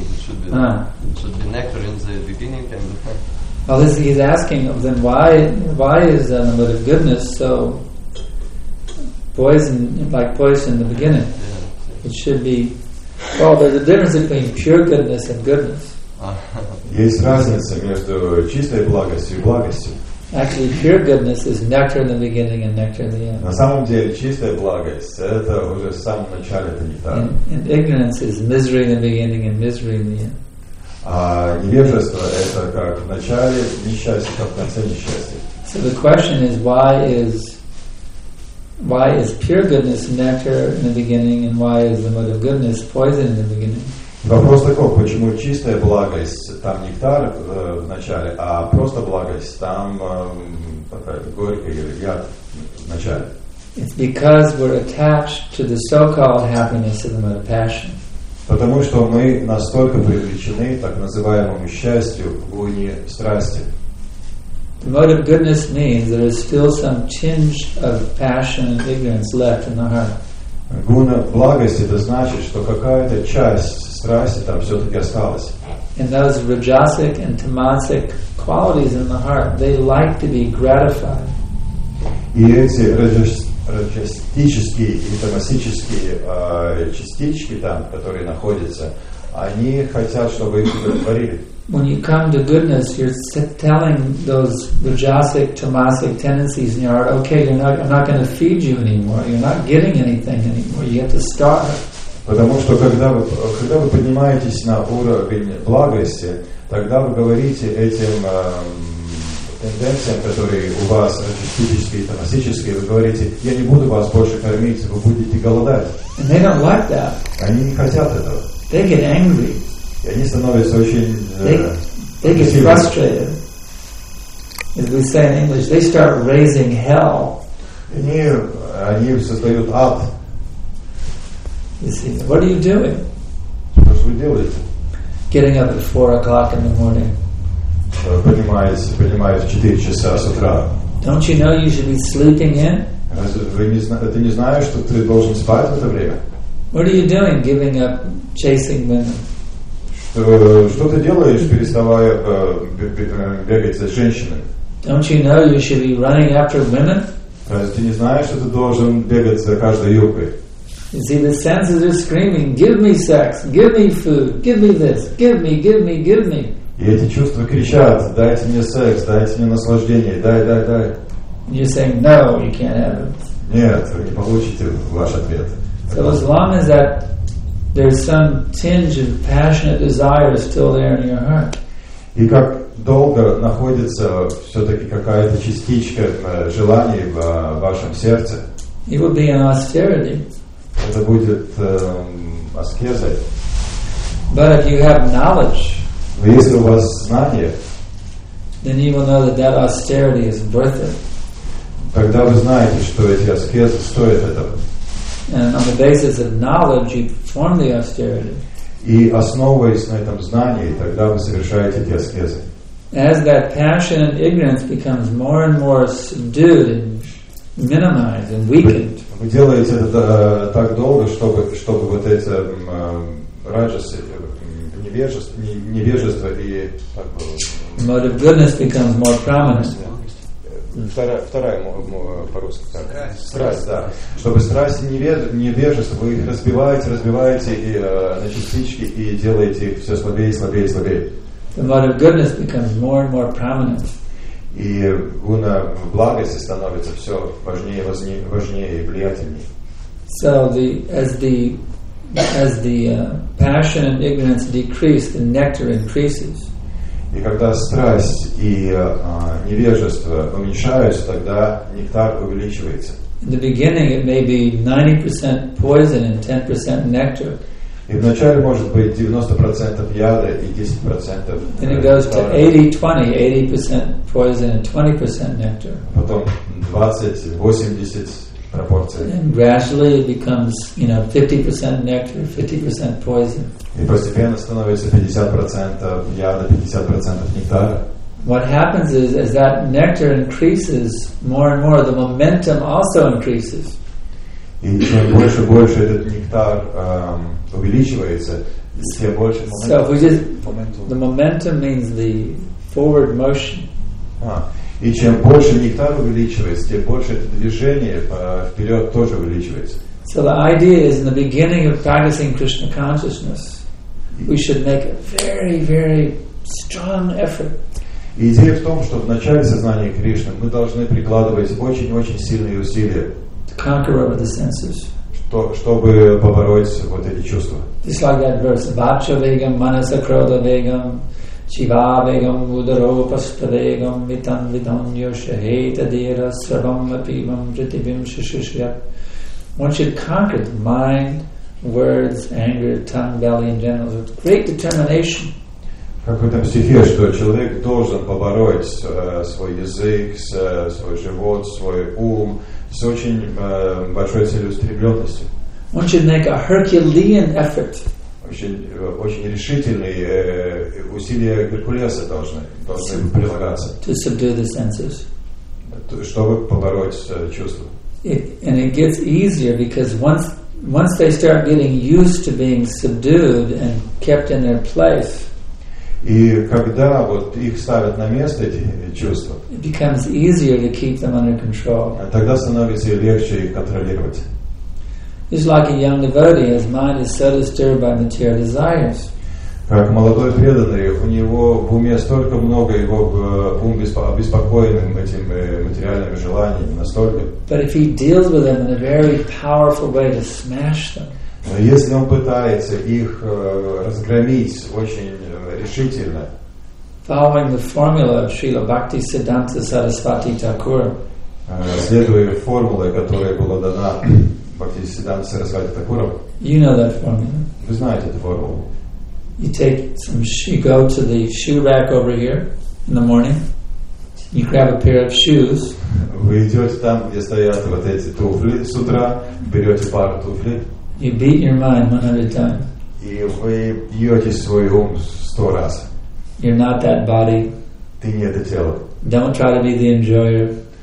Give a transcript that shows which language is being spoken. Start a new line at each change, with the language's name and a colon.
English: It should be should be nectar in the beginning. And well, this he's asking of them why is the mode of goodness so poison in the beginning? Yeah. It should be. Well, there's a difference between pure goodness and goodness.
Russian: Есть разница между чистой благостью и благостью.
English: Actually, pure goodness is nectar in the beginning and nectar in the end.
Russian: На самом деле, чистая благость – это уже в самом начале, это не так.
English: And ignorance is misery in the beginning and misery in the end.
Russian: А невежество – это как в начале несчастье, как в конце несчастье.
English: So the question is, why is pure goodness nectar in the beginning and why is the mode of goodness poison in the beginning?
Russian: Вопрос такой, почему чистая благость, там нектар в начале, а просто благость, там горький или яд в начале?
English: It's because we're attached to the so-called happiness of the mode of passion.
Russian: Потому что мы настолько привлечены так называемому счастью в гуне страсти.
English: The mode of goodness means there is still some tinge of passion and ignorance left in the heart.
Russian: Гуна благости, это значит, что какая-то часть страсти там все-таки осталась.
English: And those rajasic and tamasic qualities in the heart, they like to be gratified.
Russian: И эти раджастические и тамасические частички там, которые находятся, они хотят, чтобы их удовлетворили.
English: When you come to goodness, you're telling those rajasic, tamasic tendencies in your heart, okay, I'm not going to feed you anymore. You're not getting anything anymore. You have to starve.
Russian: Потому что когда вы поднимаетесь на уровень благости, тогда вы говорите этим тенденциям, которые у вас рачистические, тамасические, вы говорите, я не буду вас больше кормить, вы будете голодать.
English: And they don't like that.
Russian: Они не хотят этого.
English: They get angry.
Russian: И они становятся очень
English: they get frustrated. As we say in English, they start raising hell.
Russian: Они создают ад.
English: You see, what are you doing? What are you doing? Getting up at 4:00 in the morning.
Russian: Поднимаясь в 4:00 с утра.
English: Don't you know you should be sleeping in?
Russian: Ты не знаешь, что ты должен спать в это время?
English: What are you doing, giving up, chasing women?
Russian: Что ты делаешь, переставая бегать за женщинами?
English: Don't you know you should be running after women?
Russian: Ты не знаешь, что ты должен бегать за каждой юбкой?
English: You see, the senses are screaming, give me sex, give me food, give me this, give me, give me, give me.
Russian: И эти чувства кричат: дайте мне секс, дайте мне наслаждение, дай, дай, дай.
English: You say no, you can't have it.
Russian: Нет, вы не получите ваш ответ.
English: So as long as that there's some tinge of passionate desire still there in your heart.
Russian: И как долго находится все-таки какая-то частичка желаний в вашем сердце?
English: It will be an austerity.
Russian: Это будет аскезой.
English: But if you have knowledge,
Russian: но если у вас знание,
English: then you will know that that austerity is worth it.
Russian: Тогда вы знаете, что эти аскезы стоят этого.
English: And on the basis of knowledge, you form the austerity.
Russian: И основываясь на этом знании, тогда вы совершаете эти аскезы.
English: As that passion and ignorance becomes more and more subdued and minimized and weakened.
Russian: Вы делаете это так долго, чтобы вот эти раджасы, невежество и так было.
English: Motive goodness becomes more prominent.
Russian: Вторая по-русски. Страсть, да. Чтобы страсть и невежество, вы их разбиваете и на частички и делаете их все слабее и слабее и слабее.
English: The motive goodness becomes more and more prominent.
Russian: И гуна благости становится все важнее, важнее и влиятельнее.
English: So as the passion and ignorance decrease, the nectar increases.
Russian: И когда страсть и невежество уменьшаются, тогда нектар увеличивается.
English: In the beginning it may be 90% poison and 10% nectar.
Russian: И вначале может быть 90% яда и 10%.
English: Then it goes to 80-20, 80% poison and 20% nectar.
Russian: Потом 20-80 пропорции.
English: And gradually it becomes, you know, 50% nectar, 50% poison.
Russian: И постепенно становится 50% яда, 50% нектара.
English: What happens is, as that nectar increases more and more, the momentum also increases.
Russian: И чем больше и больше этот нектар увеличивается, тем больше
English: моментум. The momentum means the forward motion.
Russian: И чем больше нектар увеличивается, тем больше это движение вперед тоже увеличивается.
English: So the idea is in the beginning of practicing Krishna consciousness, we should make a very, very strong effort.
Russian: Идея в том, что в начале сознания Кришны мы должны прикладывать очень-очень сильные усилия.
English: Conquer over the senses.
Russian: Чтобы побороть вот эти чувства.
Sanskrit: Just like that verse, Vacha Vegam, Manasa Krodha Vegam, Chiva Vegam, Udaro Pasta Vegam, Vitan Vidam Yosha Heta Dira, Sravam Apivam, Jitivim Shishishya.
English: One should conquer the mind, words, anger, tongue, belly, and genitals with great determination.
Russian: Как в этом стихе, что человек должен побороть свой язык, свой живот, свой ум, с очень большой целеустремленностью.
English: One should make a Herculean effort.
Russian: Очень решительные усилия Геркулеса должны прилагаться.
English: To subdue the senses.
Russian: Чтобы побороть чувства.
English: And it gets easier because once they start getting used to being subdued and kept in their place.
Russian: И когда вот их ставят на место, эти чувства,
English: it becomes easier to keep them under control.
Russian: Тогда становится легче их контролировать.
English: It's like a young devotee, his mind is so disturbed by material desires.
Russian: Как молодой преданный, у него в уме столько много, его ум обеспокоен этим материальными желаниями настолько.
English: But if he deals with them in a very powerful way to smash them.
Russian: Но если он пытается их разгромить очень решительно.
English: Following the formula of Srila Bhakti Siddhanta Sarasvati Thakur.
Russian: Следуя формуле, которая была дана Бхакти Сиддханта Сарасвати Такуром.
English: You know that formula.
Russian: Вы знаете эту формулу.
English: You take you go to the shoe rack over here in the morning. You grab a pair of shoes.
Russian: Вы идете там, где стоят вот эти туфли с утра, берете пару туфлей.
English: You beat your mind 100 times.
Russian: И вы бьете свой ум 100 раз.
English: You're not that body.
Russian: Ты не это тело.
English: Don't try to be the enjoyer.